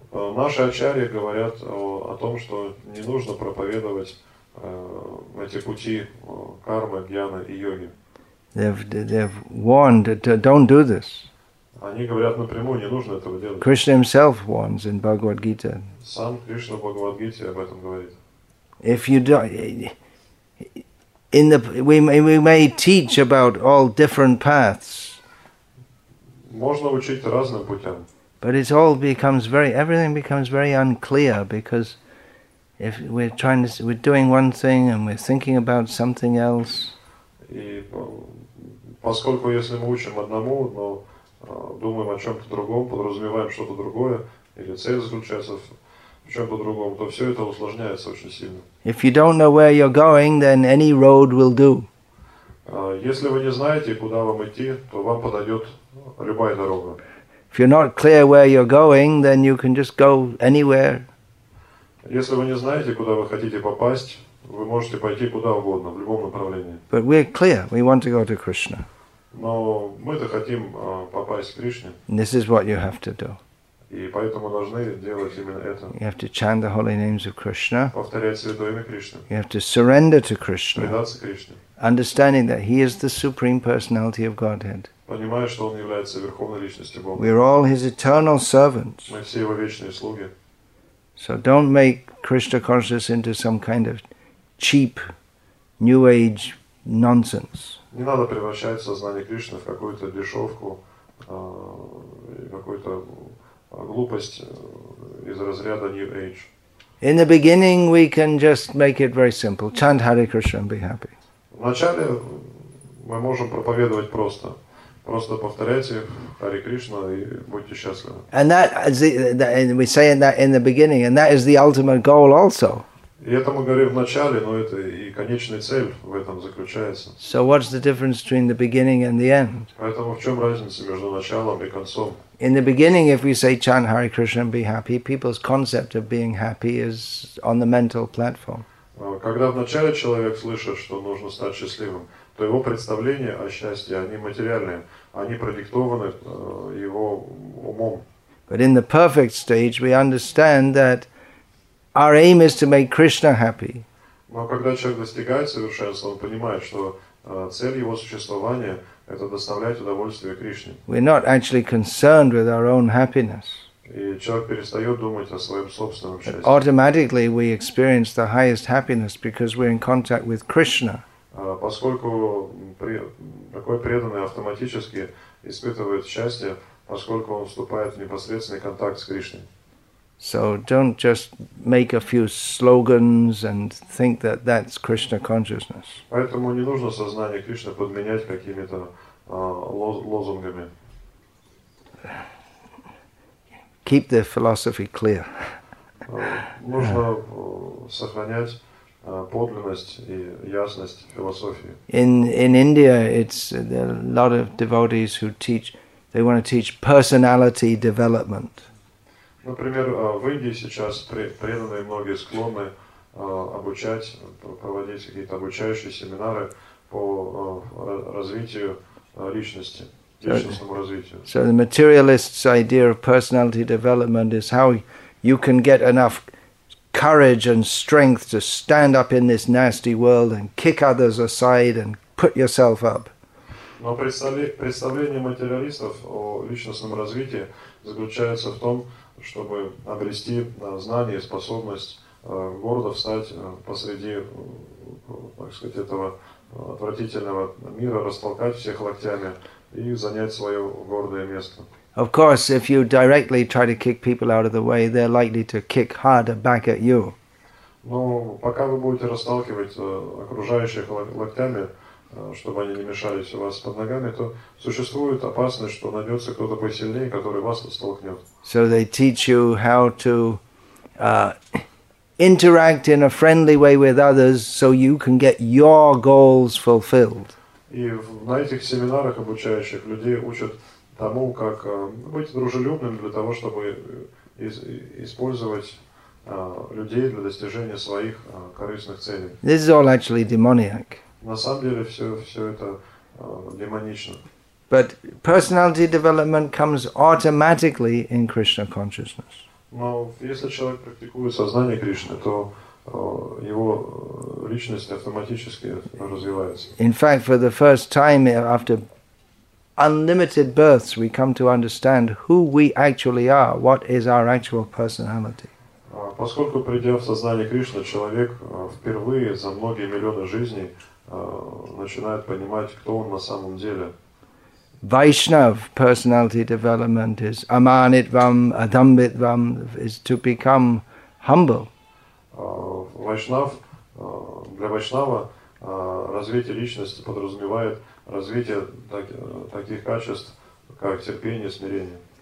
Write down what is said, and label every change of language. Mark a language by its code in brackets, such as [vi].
[ru] Наши ачарьи говорят о том, что не нужно проповедовать эти пути кармы, джняны и йоги. [en] They've warned don't do this. [ru] Они говорят напрямую, не нужно этого делать. [en] Krishna himself warns in Bhagavad-gita. [ru] Сам Кришна в Бхагавад-гите об этом говорит. [en] If you don't, in the we may teach about all different paths. [ru] Можно учить разным путям. [en] But it all becomes very, everything becomes very unclear, because if we're trying to, we're doing one thing and we're thinking about something else. [ru] И поскольку если мы учим одному, но думаем о чем-то другом, подразумеваем что-то другое, или цель заключается в чем-то другом, то все это усложняется очень сильно. [en] If you don't know where you're going, then any road will do. [ru] Если вы не знаете, куда вам идти, то вам подойдет любая дорога. [en] If you're not clear where you're going, then you can just go anywhere. [ru] Если вы не знаете, куда вы хотите попасть, вы можете пойти куда угодно, в любом направлении. [en] But we're clear, we want to go to Krishna. [ru] Но мы-то хотим попасть к Кришне. [en] And this is what you have to do. [ru] И поэтому должны делать именно это. [en] You have to chant the holy names of Krishna. [ru] Повторять святое имя Кришны. [en] You have to surrender to Krishna. [ru] Предаться Кришне. [en] Understanding that He is the Supreme Personality of Godhead. [ru] Понимая, что Он является верховной личностью Бога. [en] We are all His eternal servants. [ru] Мы все Его вечные слуги. [en] So don't make Krishna consciousness into some kind of cheap, new age nonsense. [ru] Не надо превращать сознание Кришны в какую-то дешевку, какую-то глупость из разряда new age. [en] In the beginning, we can just make it very simple: chant Hare Krishna and be happy. [ru] Вначале мы можем проповедовать просто. Просто повторяйте Hare Krishna и будьте счастливы. [en] And that, we say that in the beginning, and that is the ultimate goal also. [ru] И это мы говорим в начале, но это и конечная цель в этом заключается. [en] So what's the difference between the beginning and the end? [ru] Поэтому в чем разница между началом и концом? [en] In the beginning, if we say chant Hare Krishna and be happy, people's concept of being happy is on the mental platform. [ru] Когда вначале человек слышит, что нужно стать счастливым, то его представления о счастье, они материальные, они продиктованы его умом. [en] But in the perfect stage, we understand that our aim is to make Krishna happy. [ru] Но когда человек достигает совершенства, он понимает, что цель его существования – это доставлять удовольствие Кришне. [en] We're not actually concerned with our own happiness. [ru] И человек перестает думать о своем собственном счастье. [en] Automatically we experience the highest happiness because we're in contact with Krishna. [ru] Поскольку такой преданный автоматически испытывает счастье, поскольку он вступает в непосредственный контакт с Кришной. [en] So don't just make a few slogans and think that that's Krishna consciousness. [ru] Поэтому не нужно сознание Кришны подменять какими-то лозунгами. [en] Keep the philosophy clear. [ru] Нужно сохранять подлинность и ясность философии. [en] In India, it's a lot of devotees who teach. They want to teach personality development. [ru] Например, в Индии сейчас преданные многие склонны обучать, проводить какие-то обучающие семинары по развитию личности. [en] So the materialist's idea of personality development is how you can get enough courage and strength to stand up in this nasty world and kick others aside and put yourself up. [ru] Но представление материалистов о личностном развитии заключается в том, чтобы обрести знание и способность гордо встать посреди, так сказать, этого отвратительного мира, растолкать всех локтями и занять свое гордое место. [en] Of course, if you directly try to kick people out of the way, they're likely to kick harder back at you. [ru] Но пока вы будете расталкивать окружающих локтями, чтобы они не мешались у вас под ногами, то существует опасность, что найдется кто-то посильнее, который вас столкнет. [en] So they teach you how to interact in a friendly way with others so you can get your goals fulfilled. [ru] И на этих семинарах обучающих людей учат тому, как быть дружелюбным для того, чтобы использовать людей для достижения своих корыстных целей. [en] This is all actually demoniac. [ru] На самом деле все это демонично. [en] But personality development comes automatically in Krishna consciousness. [ru] Но если человек практикует сознание Кришны, то его личность автоматически развивается. [en] In fact, for the first time after unlimited births, we come to understand who we actually are, what is our actual personality. [ru] Поскольку придя в сознание Кришны, человек впервые за многие миллионы жизней начинает понимать, кто он на самом деле. [en] Vaishnav personality development is [sa] amanitvam, adambitvam, [en] is to become humble. [ru] Vaishnav, для Вайшнава развитие личности подразумевает развитие таких качеств, как терпение, смирение.